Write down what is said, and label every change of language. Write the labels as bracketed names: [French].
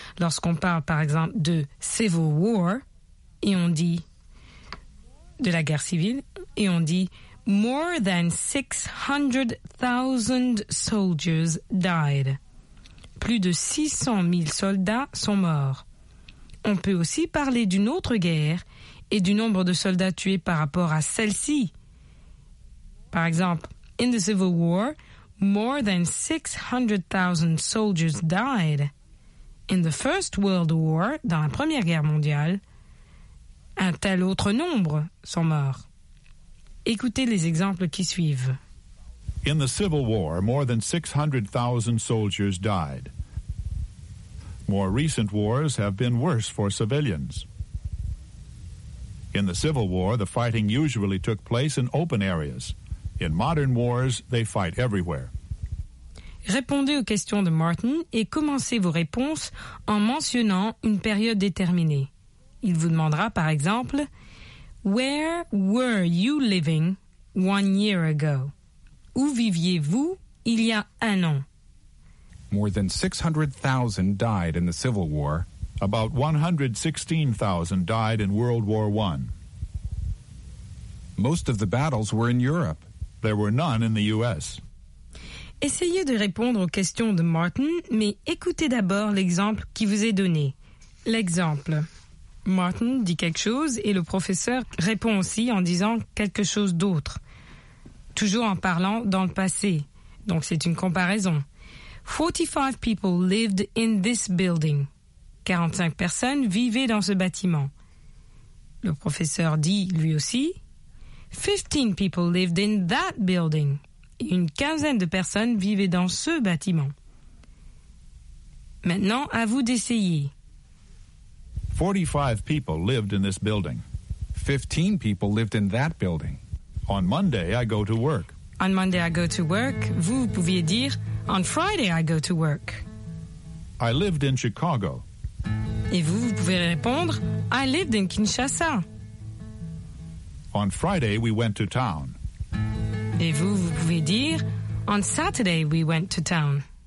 [French] Lorsqu'on parle, par exemple, de Civil War, et on dit de la guerre civile, et on dit [English] More than 600,000 soldiers died. [French] Plus de 600 000 soldats sont morts. On peut aussi parler d'une autre guerre et du nombre de soldats tués par rapport à celle-ci. Par exemple, [English] in the Civil War, more than 600,000 soldiers died. In the First World War, [French] dans la Première Guerre mondiale, un tel autre nombre sont morts. Écoutez les exemples qui suivent. [English] In the Civil War, more than 600,000 soldiers died. More recent wars have been worse for civilians. In the Civil War, the fighting usually took place in open areas. In modern wars, they fight everywhere. [French] Répondez aux questions de Martin et commencez vos réponses en mentionnant une période déterminée. Il vous demandera, par exemple, [English] Where were you living 1 year ago? [French] Où viviez-vous il y a un an? [English] More than 600,000 died in the Civil War. About 116,000 died in World War I. Most of the battles were in Europe. There were none in the U.S. [French] Essayez de répondre aux questions de Martin, mais écoutez d'abord l'exemple qui vous est donné. L'exemple. Martin dit quelque chose et le professeur répond aussi en disant quelque chose d'autre. Toujours en parlant dans le passé. Donc c'est une comparaison. [English] 45 people lived in this building. [French] 45 personnes vivaient dans ce bâtiment. Le professeur dit lui aussi [English] 15 people lived in that building. [French] Une quinzaine de personnes vivaient dans ce bâtiment. Maintenant, à vous d'essayer. [English] 45 people lived in this building. 15 people lived in that building. On Monday, I go to work. On Monday, I go to work. [French] Vous pouviez dire, [English] On Friday, I go to work. I lived in Chicago. [French] Et vous, vous pouvez répondre, [English] I lived in Kinshasa. On Friday, we went to town. [French] Et vous, vous pouvez dire, [English] On Saturday, we went to town.